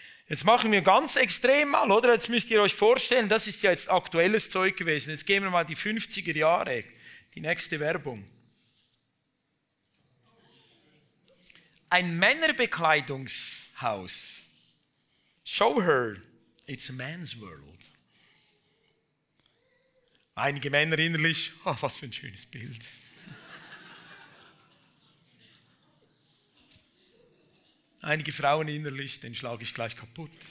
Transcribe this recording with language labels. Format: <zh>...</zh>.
<de>Jetzt machen wir ganz extrem mal, oder? Jetzt müsst ihr euch vorstellen, das ist ja jetzt aktuelles Zeug gewesen. Jetzt gehen wir mal die 50er Jahre, die nächste Werbung. Ein Männerbekleidungshaus.</de> <en>Show her, it's a man's world.</en> <de>Einige Männer innerlich, oh, was für ein schönes Bild. Einige Frauen innerlich, den schlage ich gleich kaputt.</de>